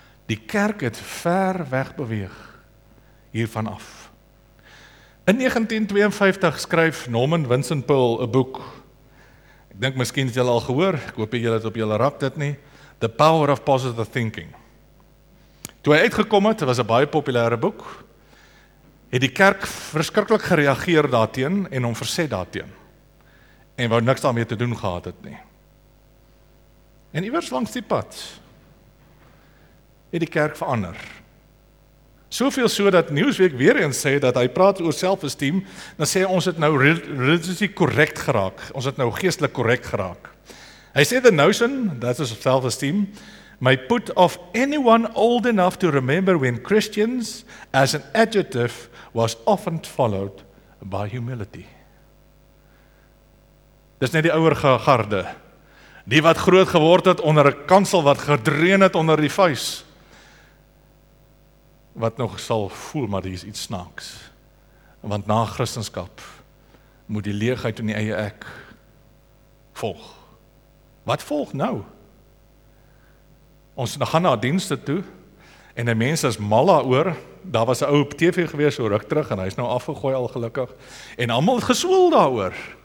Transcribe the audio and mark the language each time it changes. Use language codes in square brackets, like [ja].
[af] Die kerk het ver weg beweeg hiervan af. In 1952 skryf Norman Vincent Peale 'n boek. Ek dink miskien het julle al gehoor, ek hoop julle het op julle rak dit nie, The Power of Positive Thinking. Toe hy uitgekom het, was 'n baie populêre boek, het die kerk verskriklik gereageer daarteen en hom verset daarteen. En wou niks daarmee te doen gehad het nie. En iewers langs die pad het die kerk verander. Soveel so dat Newsweek weer eens sê dat hy praat oor self-esteem, dan sê ons het nou [en] religiously correct [af] geraak, ons het nou geestelik correct geraak. [en] Hy sê, the notion, that is self-esteem, may put off anyone old enough to remember when Christians as an adjective was often followed by humility. [af] Dis net die ouer garde, die wat groot geword het onder 'n kansel wat gedreun het onder die vuis. wat nog sal voel, maar dit is iets snaaks. Want na Christenskap moet die leegheid in die eie ek volg. Wat volg nou? Ons gaan na dienste toe, en die mens is malla oor, daar was een ou op TV gewees, so ruk terug, en hy is nou afgegooi al gelukkig, en allemaal geswoel daar oor.